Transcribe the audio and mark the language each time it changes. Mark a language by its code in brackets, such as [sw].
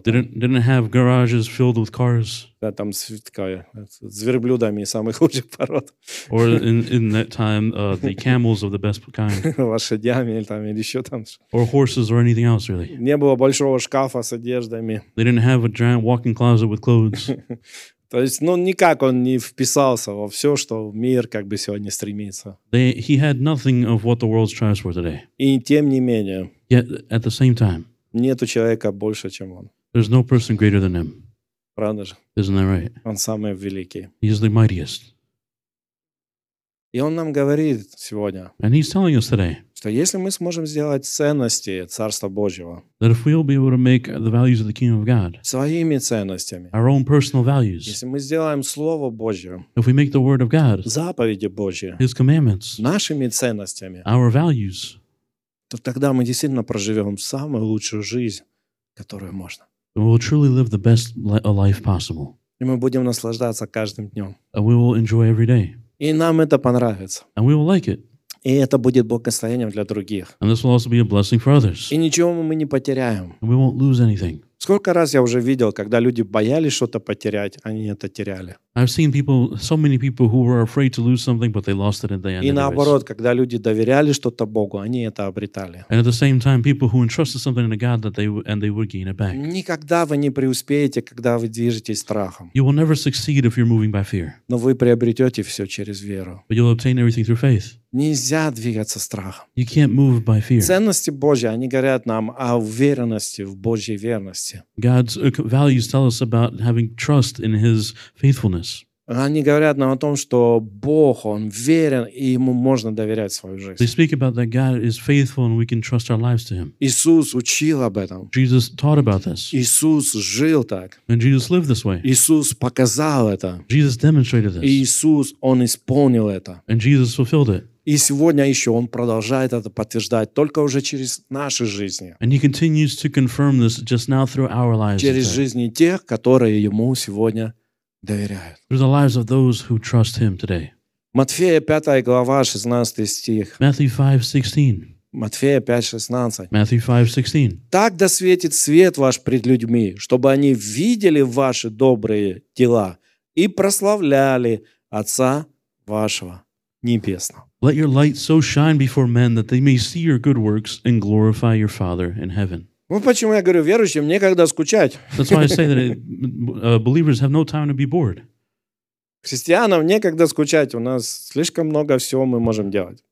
[en] Didn't have garages filled with cars. [ru] Да, там с верблюдами самых лучших пород. [en] Or in that time, the camels of the best kind. [ru] Лошадями там или еще там. [en] Or horses or anything else, really. [ru] Не было большого шкафа с одеждами. [en] They didn't have a giant walk-in closet with clothes. [ru] То есть, ну, никак он не вписался во все, что мир как бы сегодня стремится. [en] He had nothing of what the world strives for today. [ru] И тем не менее. [en] Yet, at the same time. [ru] Нету человека больше, чем он. [en] There's no person greater than him. [ru] Правда же? [en] Isn't that right? [ru] Он самый великий. [en] He is the mightiest. [ru] И он нам говорит сегодня. [en] And he's telling us today. [ru] Что если мы сможем сделать ценности Царства Божьего. [en] That if we'll be able to make the values of the kingdom of God. [ru] Своими ценностями. [en] Our own personal values. [ru] Если мы сделаем Слово Божье. [en] If we make the word of God. [ru] Заповеди Божьи. [en] His commandments. [ru] Нашими ценностями. [en] Our values. [ru] То тогда мы действительно проживем самую лучшую жизнь, которую можно. [en] We will truly live the best life possible. [ru] И мы будем наслаждаться каждым днем. [en] And we will enjoy every day. [ru] И нам это понравится. [en] And we will like it. [ru] И это будет благословением для других. [en] And this will also be a blessing for others. [ru] И ничего мы не потеряем. [en] And we won't lose anything. [ru] Сколько раз я уже видел, когда люди боялись что-то потерять, они это теряли. [en] I've seen people, so many people who were afraid to lose something, but they lost it in the end. [ru] И наоборот, когда люди доверяли что-то Богу, они это обретали. [en] And at the same time, people who entrusted something to God, that they would gain it back. [ru] Никогда вы не преуспеете, когда вы движетесь страхом. [en] You will never succeed if you're moving by fear. [ru] Но вы приобретете все через веру. [en] But you'll obtain everything through faith. [ru] Нельзя двигаться страхом. [en] You can't move by fear. [ru] Ценности Божьи, они говорят нам о уверенности в Божьей верности. [en] God's values tell us about having trust in His faithfulness. [ru] Они говорят нам о том, что Бог, Он верен, и Ему можно доверять свою жизнь. [en] They speak about that God is faithful and we can trust our lives to Him. [ru] Иисус учил об этом. [en] Jesus taught about this. [ru] Иисус жил так. [en] And Jesus lived this way. [ru] Иисус показал это. [en] Jesus demonstrated this. [ru] И Иисус, Он исполнил это. [en] And Jesus fulfilled it. [ru] И сегодня еще Он продолжает это подтверждать, только уже через наши жизни. [en] And He continues to confirm this just now through our lives. [ru] Через жизни тех, которые Ему сегодня доверяют. [en] Through the lives of those who trust Him today. [ru] Матфея 5 глава, 16 стих. [en] Matthew 5, 16. [ru] Матфея 5, 16. [en] Matthew 5, 16. [ru] Так досветит свет ваш пред людьми, чтобы они видели ваши добрые дела и прославляли Отца вашего небесного. [en] Let your light so shine before men that they may see your good works and glorify your Father in heaven. [ru] Ну почему я говорю верующим, некогда скучать. [en] That's why I say that believers have no time to be bored. [ru] Христианам некогда скучать, у нас слишком много всего мы можем делать.